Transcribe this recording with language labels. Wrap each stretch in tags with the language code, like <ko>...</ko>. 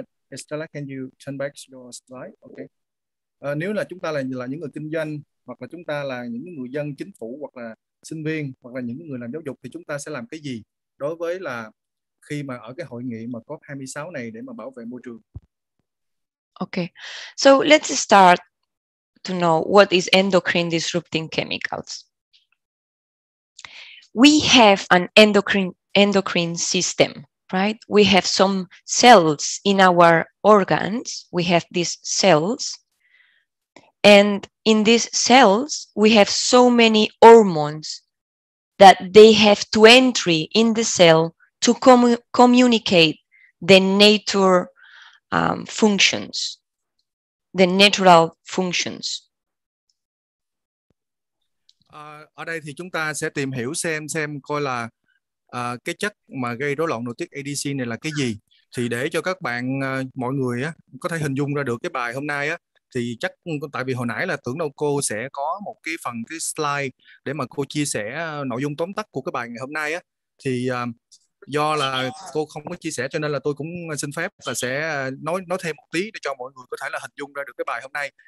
<en>Estella, can you turn back your slide? Okay.</en> <vi>Nếu là chúng ta là những người kinh doanh, hoặc là chúng ta là những người dân chính phủ, hoặc là sinh viên, hoặc là những người làm giáo dục, thì chúng ta sẽ làm cái gì đối với là khi mà ở cái hội nghị mà COP26 này để mà bảo vệ môi trường?</vi> <en>Okay, so let's start to know what is endocrine disrupting chemicals. We have an endocrine system, right? We have some cells in our organs. We have these cells. And in these cells, we have so many hormones that they have to enter in the cell to communicate the nature functions, the natural functions.</en> <vi>Ở đây thì chúng ta sẽ tìm hiểu xem coi là cái chất mà gây rối loạn nội tiết ADC này là cái gì. Thì để cho các bạn, mọi người có thể hình dung ra được cái bài hôm nay á, thì chắc tại vì hồi nãy là tưởng đâu cô sẽ có một cái phần cái slide để mà cô chia sẻ nội dung tóm tắt của cái bài ngày hôm nay á, thì do là cô không có chia sẻ cho nên là tôi cũng xin phép là sẽ nói thêm một tí để cho mọi người có thể là hình dung ra được cái bài hôm nay.</vi>